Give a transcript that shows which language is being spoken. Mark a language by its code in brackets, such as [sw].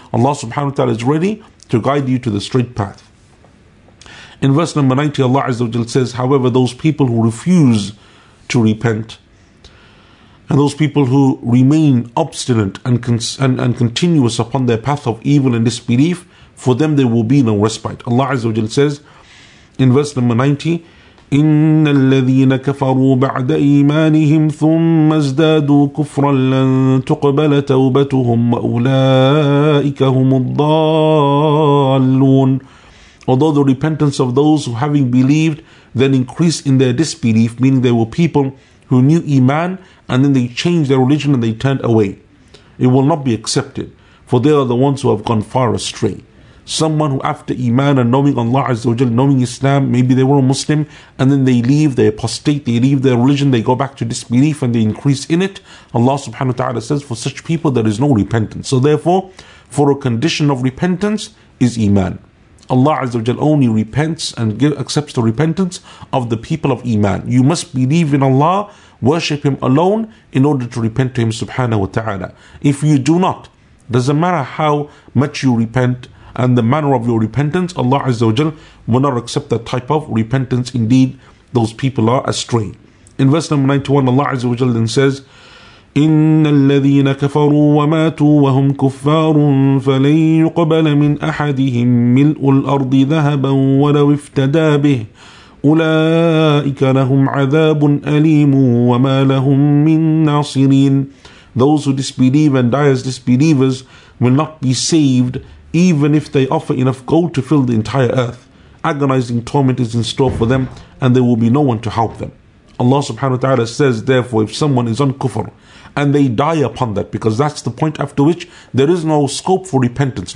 [en] Allah subhanahu wa ta'ala is ready to guide you to the straight path. In verse number 90, Allah Azza wa Jalla says, however, those people who refuse to repent. And those people who remain obstinate and continuous upon their path of evil and disbelief, for them there will be no respite. Allah Azza wa Jalla says in verse number 90, [ar] إِنَّ الَّذِينَ كَفَرُوا بَعْدَ إِيمَانِهِمْ ثُمَّ ازْدَادُوا كُفْرًا لَنْ تُقْبَلَ تَوْبَتُهُمْ وَأُولَٰئِكَ هُمُ الضَّالُّونَ. [en] Although the repentance of those who having believed then increased in their disbelief, meaning they were people who knew Iman and then they changed their religion and they turned away, it will not be accepted, for they are the ones who have gone far astray. Someone who after Iman and knowing Allah Azza wa Jal, knowing Islam, maybe they were a Muslim, and then they leave, they apostate, they leave their religion, they go back to disbelief and they increase in it. Allah subhanahu wa ta'ala says, for such people there is no repentance. So therefore, for a condition of repentance is Iman. Allah Azza wa Jal only repents and accepts the repentance of the people of Iman. You must believe in Allah, worship Him alone in order to repent to Him subhanahu wa ta'ala. If you do not, doesn't matter how much you repent and the manner of your repentance, Allah Azza wa Jal will not accept that type of repentance. Indeed, those people are astray. In verse number 91, Allah Azza wa Jal then says, [ar] إِنَّ الَّذِينَ كَفَرُوا وَمَاتُوا وَهُمْ كُفَّارٌ فَلَنْ يُقْبَلَ مِنْ أَحَدِهِمْ مِلْءُ الْأَرْضِ ذَهَبًا وَلَوْ افْتَدَى بِهِ أُولَٰئِكَ لَهُمْ عَذَابٌ أَلِيمٌ وَمَا لَهُمْ مِنْ نَاصِرِينَ. [en] Those who disbelieve and die as disbelievers will not be saved even if they offer enough gold to fill the entire earth. Agonizing torment is in store for them and there will be no one to help them. Allah subhanahu wa ta'ala says, therefore, if someone is on kufr and they die upon that, because that's the point after which there is no scope for repentance.